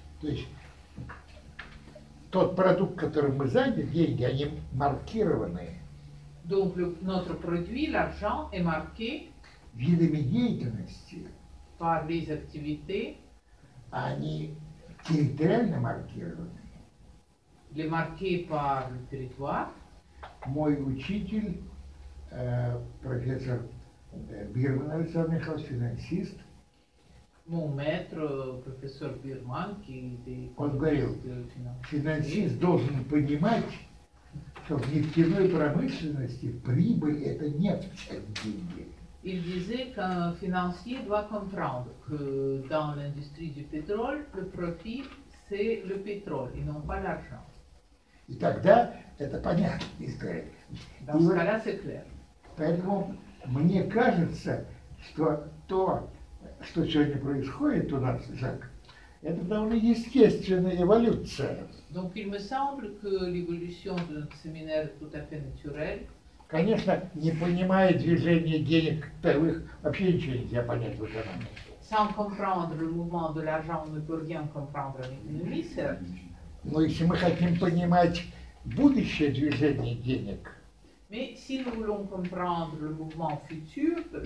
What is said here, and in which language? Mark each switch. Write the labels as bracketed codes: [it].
[ru] То есть тот продукт, которым мы заняты, деньги, они маркированы. [fr] Donc notre produit, l'argent, est marqué [ru] видами деятельности. [fr] Par les activités. [ru] Они территориально маркированы. [fr] Les marqués par le territoire. [ru] Мой учитель, профессор Бирман Александр Михайлович, финансист. Мой метро, профессор Бирман, он говорил, финансист должен понимать, что в нефтяной промышленности прибыль – это нефть, а деньги. [fr] Il disait que financier doit comprendre que dans l'industrie du pétrole, le profit – c'est le pétrole, et non pas l'argent. [ru] И тогда это понятно, и скорее. [fr] Dans ce cas-là, c'est clair. [ru] Поэтому мне кажется, что то, что сегодня происходит у нас, Жак, это довольно естественная эволюция. [fr] Donc il me semble que l'évolution de notre séminaire est tout à fait naturelle. [ru] Конечно, не понимая движения денег, таковых вообще ничего нельзя понять в экономике. [fr] Sans comprendre le mouvement de l'argent, on ne peut rien comprendre en économie, certes. [ru] Но если мы хотим понимать будущее движение денег, [fr] mais si nous voulons comprendre le mouvement futur